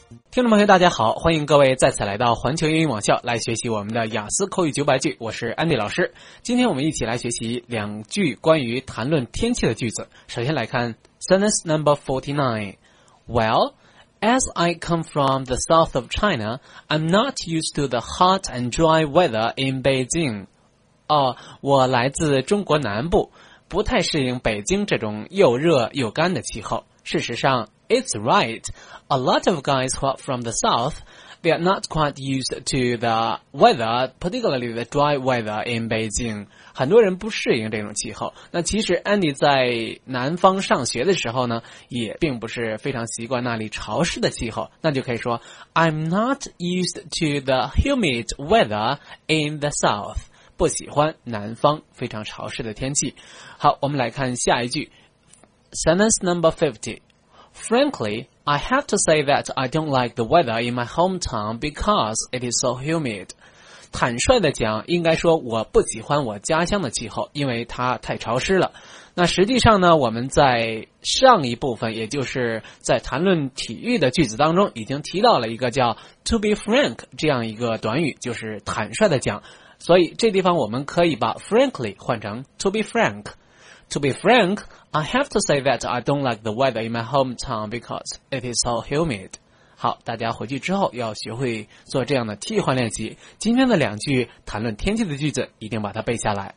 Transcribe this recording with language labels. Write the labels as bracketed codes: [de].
[zh] 听众朋友大家好，欢迎各位再次来到环球英语网校来学习我们的雅思口语九百句，我是 Andy 老师。今天我们一起来学习两句关于谈论天气的句子。首先来看 [en] Sentence number 49. Well, as I come from the south of China, I'm not used to the hot and dry weather in Beijing. [zh] 哦，我来自中国南部，不太适应北京这种又热又干的气候。事实上 [en] It's right. A lot of guys who are from the south, they are not quite used to the weather, particularly the dry weather in Beijing. [zh] 很多人不适应这种气候。那其实 Andy 在南方上学的时候呢，也并不是非常习惯那里潮湿的气候。那就可以说 [en] I'm not used to the humid weather in the south. [zh] 不喜欢南方非常潮湿的天气。好，我们来看下一句。 [en] Sentence number 50. Frankly, I have to say that I don't like the weather in my hometown because it is so humid. [zh] 坦率地讲，应该说我不喜欢我家乡的气候，因为它太潮湿了。那实际上呢，我们在上一部分，也就是在谈论体育的句子当中，已经提到了一个叫 to be frank 这样一个短语，就是坦率地讲。所以这地方我们可以把 frankly 换成 to be frank。 [en] To be frank, I have to say that I don't like the weather in my hometown because it is so humid. [zh] 好，大家回去之后要学会做这样的替换练习。今天的两句谈论天气的句子，一定把它背下来。